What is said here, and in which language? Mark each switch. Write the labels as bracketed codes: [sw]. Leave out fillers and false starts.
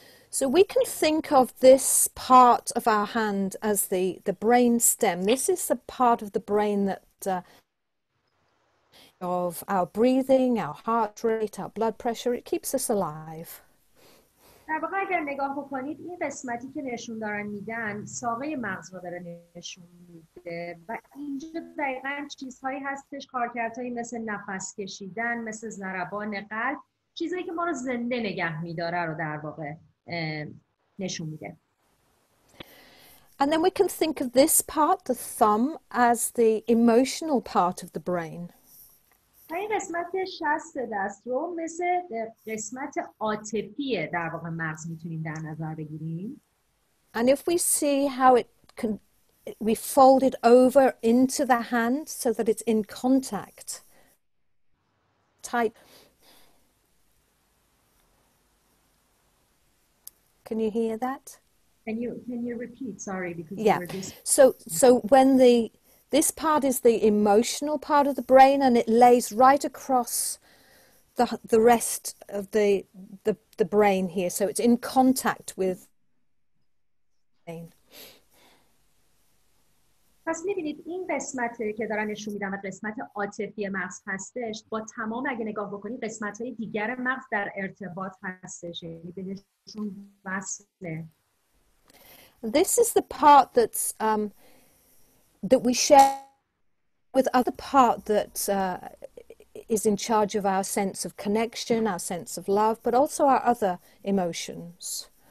[en] So we can think of this part of our hand as the brain stem. This is the part of the brain that of our breathing, our heart rate, our blood pressure, it keeps us alive. [fa] در واقع اگر نگاه بکنید این قسمتی که نشون دارن میدن ساقه مغز رو داره نشون میده و اینجا دقیقا چیزهایی هستش، کارکردهایی مثل نفس کشیدن، مثل ضربان قلب، چیزهایی که ما رو زنده نگه میداره رو در واقع نشون میده. [en] And then we can think of this part, the thumb, as the emotional part of the brain. [fa] این قسمت شست دست رو مثل قسمت عاطفی در واقع مغز میتونیم در نظر بگیریم. [en] And if we see how it can we fold it over into the hand so that it's in contact type. Can you hear that? Can you repeat? Sorry, because yeah. So when the This part is the emotional part of the brain, and it lays right across the rest of the brain here. So it's in contact with the brain. [fa] پس می‌بینید این قسمتی که دارن نشون میدن قسمت عاطفی مغز هستش، با تمام اگه نگاه بکنید قسمت‌های دیگر مغز در ارتباط هستش، یعنی بهشون وصله. [en] This is the part that's that we share with other part that is in charge of our sense of connection, our sense of love, but also our other emotions.